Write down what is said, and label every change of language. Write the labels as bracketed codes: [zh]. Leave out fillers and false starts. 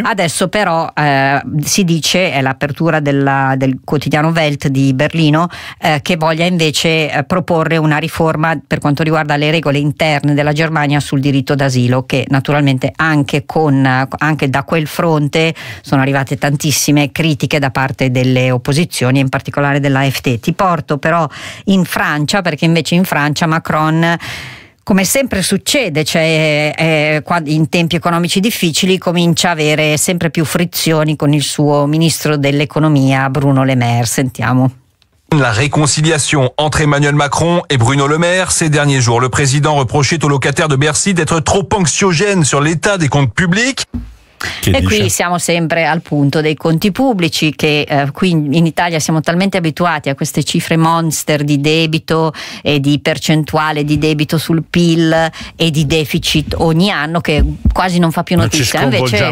[it] Adesso però si dice, è l'apertura del quotidiano Welt di Berlino, che voglia invece proporre una riforma per quanto riguarda le regole interne della Germania sul diritto d'asilo, che naturalmente anche da quel fronte sono arrivate tantissime critiche da parte delle opposizioni, in particolare dell'AfD. Ti porto però in Francia, perché invece in Francia Macron, come sempre succede, cioè in tempi economici difficili, comincia a avere sempre più frizioni con il suo ministro dell'economia Bruno Le Maire. Sentiamo. [fr] La réconciliation entre Emmanuel Macron et Bruno Le Maire ces derniers jours. Le président reprochait aux locataires de Bercy d'être trop anxiogène sur l'état des comptes publics. [it] E qui siamo sempre al punto dei conti pubblici, che qui in Italia siamo talmente abituati a queste cifre monster di debito e di percentuale di debito sul PIL e di deficit ogni anno, che quasi non fa più notizia. Non ci sconvolgiamo